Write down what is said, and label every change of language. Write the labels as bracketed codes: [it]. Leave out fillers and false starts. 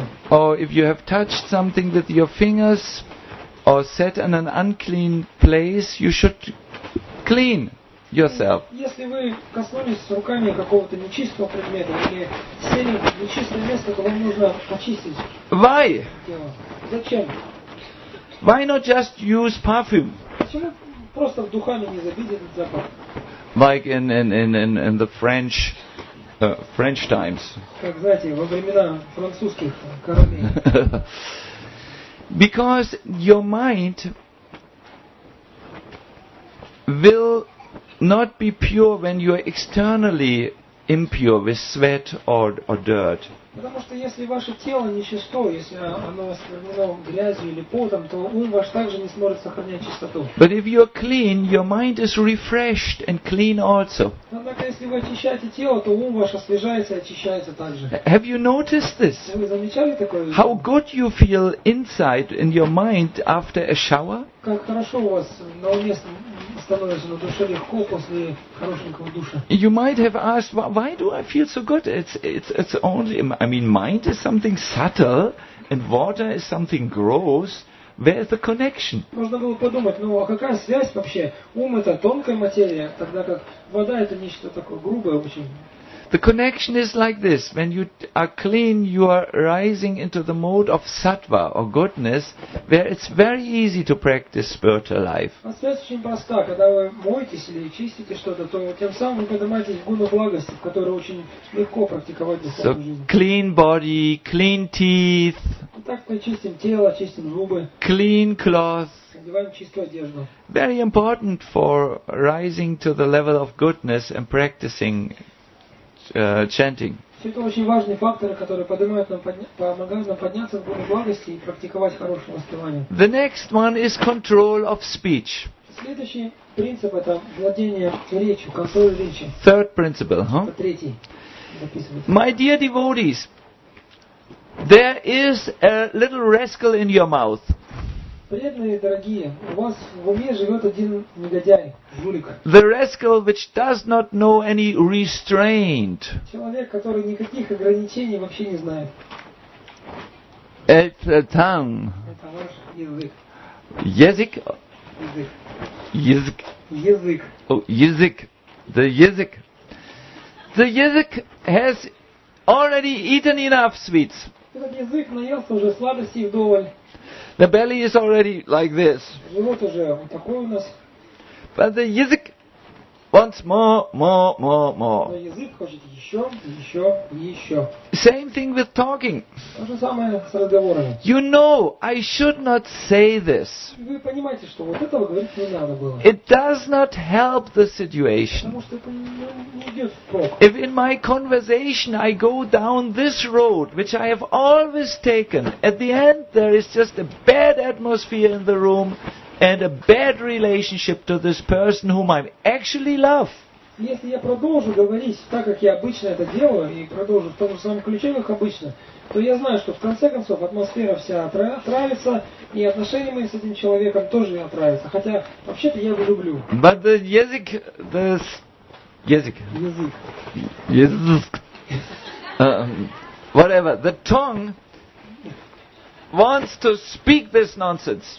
[en] Or if you have touched something with your fingers or sat in an unclean place, you should clean yourself. [ru] Если вы коснулись руками какого-то нечистого предмета или сели в нечистое место, то вам нужно почистить. [en] Why? [ru] Зачем? [en] Why not just use perfume? [ru] Почему просто в духами не забить этот запах? [en] Like in the French French times. [ru] Как знаете, во времена французских королей. [en] Because your mind will not be pure when you are externally impure with sweat or dirt. [ru] Потому что если ваше тело нечисто, если оно осквернено грязью или потом, то ум ваш также не сможет сохранять чистоту. [en] But if you are clean, your mind is refreshed and clean also. [ru] Однако если вы очищаете тело, то ум ваш освежается и очищается также. [en] Have you noticed this? [ru] Вы замечали такое? [en] How good you feel inside in your mind after a shower? [ru] Как хорошо у вас на уме становится, на душе легко после хорошенького душа. [en] You might have asked, why do I feel so good? It's only, mind is something subtle, and water is something gross. Where is the connection? [ru] Можно было подумать, ну а какая связь вообще? Ум это тонкая материя, тогда как вода это нечто такое грубое очень. [en] The connection is like this: when you are clean, you are rising into the mode of sattva or goodness, where it's very easy to practice spiritual life. [ru] А связь очень проста: когда вы моетесь или чистите что-то, то тем самым вы поднимаетесь в гуну благости, в которой очень легко практиковать духовную жизнь. [en] So clean body, clean teeth. [ru] Так мы чистим тело, чистим зубы. [en] Clean clothes. [ru] Одеваем чистую одежду. [en] Very important for rising to the level of goodness and practicing. Chanting. [ru] Все это очень важные факторы, которые помогают нам подняться в гуну благости и практиковать хорошее воспевание. [en] The next one is control of speech. [ru] Следующий принцип это владение речью, контроль речи. [en] Third principle, huh? [ru] Третий. [en] My dear devotees, there is a little rascal in your mouth. [ru] Преданные дорогие, у вас в уме живет один негодяй, жулик. [en] The rascal which does not know any restraint. [ru] Человек, который никаких ограничений вообще не знает. Это [en] tongue. [ru] Это ваш язык. Язык. Язык. Язык. Язык. [en] The [ru] язык. The язык has already eaten enough sweets. Этот язык наелся уже сладостей вдоволь. [en] The belly is already like this. [ru] Живот уже вот такой у нас. [en] But the язык wants more. [ru] Но язык хочет еще, еще, еще. [en] Same thing with talking. [ru] То же самое с разговорами. [en] You know, I should not say this. [ru] Вы понимаете, что вот этого говорить не надо было. [en] It does not help the situation. [ru] Потому что это не идет в прок. [en] If in my conversation I go down this road, which I have always taken, at the end there is just a bad atmosphere in the room, and a bad relationship to this person whom I actually love. [ru] Если я продолжу говорить так, как я обычно это делаю, и продолжу в том же самом ключе, как обычно, то я знаю, что в конце концов атмосфера вся отравится, и отношения мои с этим человеком тоже отравятся. Хотя, вообще-то, я его люблю. [en] But the язык... [ru] Язык. Язык. [en] Язык. Whatever. The tongue... wants to speak this nonsense.